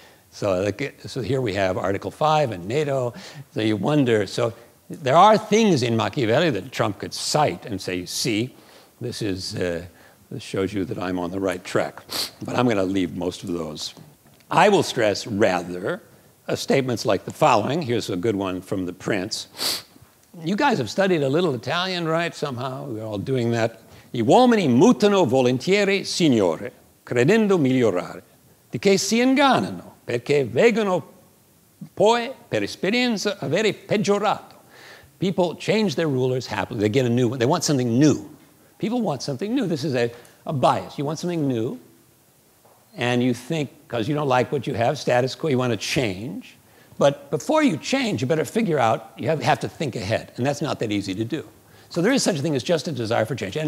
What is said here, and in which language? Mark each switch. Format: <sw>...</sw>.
<en>So here we have Article 5 and NATO. So you wonder, so there are things in Machiavelli that Trump could cite and say, see, this shows you that I'm on the right track. But I'm going to leave most of those. I will stress rather statements like the following. Here's a good one from the Prince. You guys have studied a little Italian, right, somehow? We're all doing that.</en> <it>I uomini mutano volentieri, signore, credendo migliorare, di che si ingannano, perché vengono poi per esperienza avere peggiorato.</it> <en>People change their rulers happily. They get a new one. They want something new. People want something new. This is a bias. You want something new, and you think, because you don't like what you have, status quo, you want to change. But before you change, you better figure out, you have to think ahead. And that's not that easy to do. So there is such a thing as just a desire for change.</en>